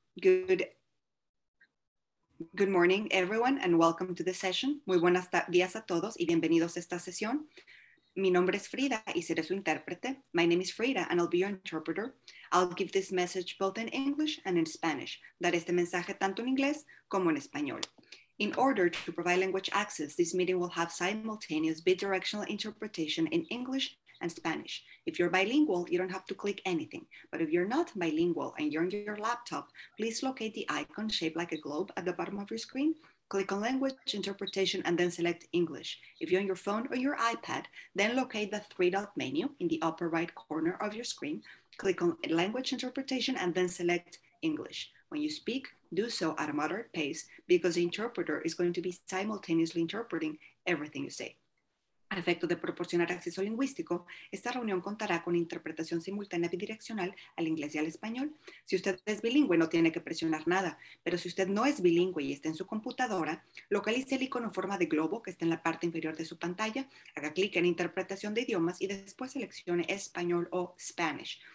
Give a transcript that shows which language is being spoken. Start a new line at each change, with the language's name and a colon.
English: Good morning, everyone, and welcome to the session.
Spanish: Muy buenas días a todos y bienvenidos a esta sesión. Mi nombre es Frida y seré su intérprete.
English: My name is Frida and I'll be your interpreter. I'll give this message both in English and in Spanish.
Spanish: Daré este mensaje tanto en inglés como en español.
English: In order to provide language access, this meeting will have simultaneous bidirectional interpretation in English and Spanish. If you're bilingual, you don't have to click anything. But if you're not bilingual and you're on your laptop, please locate the icon shaped like a globe at the bottom of your screen. Click on language interpretation and then select English. If you're on your phone or your iPad, then locate the three-dot menu in the upper right corner of your screen. Click on language interpretation and then select English. When you speak, do so at a moderate pace because the interpreter is going to be simultaneously interpreting everything you say.
Spanish: A efecto de proporcionar acceso lingüístico, esta reunión contará con interpretación simultánea bidireccional al inglés y al español. Si usted es bilingüe, no tiene que presionar nada, pero si usted no es bilingüe y está en su computadora, localice el icono en forma de globo que está en la parte inferior de su pantalla, haga clic en interpretación de idiomas y después seleccione español o Spanish.